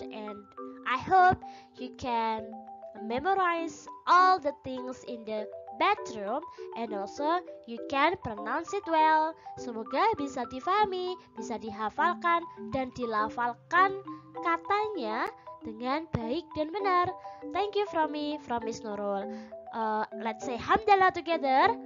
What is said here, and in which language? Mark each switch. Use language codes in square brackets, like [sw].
[en] And I hope you can memorize all the things in the bedroom, and also you can pronounce it well. [id] Semoga bisa difahami, bisa dihafalkan, dan dilafalkan katanya dengan baik dan benar. [en] Thank you from me, from Miss Nurul. Let's say hamdalah together.